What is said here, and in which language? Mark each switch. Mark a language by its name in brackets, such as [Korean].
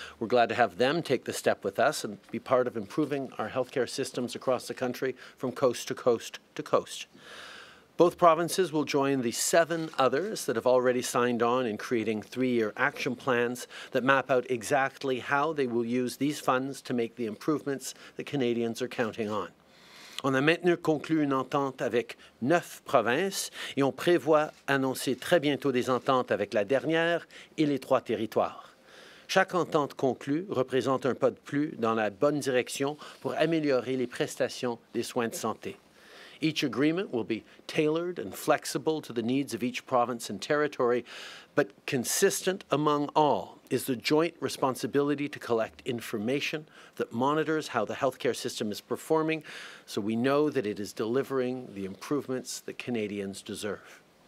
[English] We're glad to have them take the step with us and be part of improving our health care systems across the country from coast to coast to coast. Both provinces will join the seven others that have already signed on in creating three-year action plans that map out exactly how they will use these funds to make the improvements that Canadians are counting on. [French] On a maintenant conclu une entente avec neuf provinces et on prévoit annoncer très bientôt des ententes avec la dernière et les trois territoires. Chaque entente conclue représente un pas de plus dans la bonne direction pour améliorer les prestations des soins de santé. [English] Each agreement will be tailored and flexible to the needs of each province and territory, but consistent among all is the joint responsibility to collect information that monitors how the healthcare system is performing so we know that it is delivering the improvements that Canadians deserve.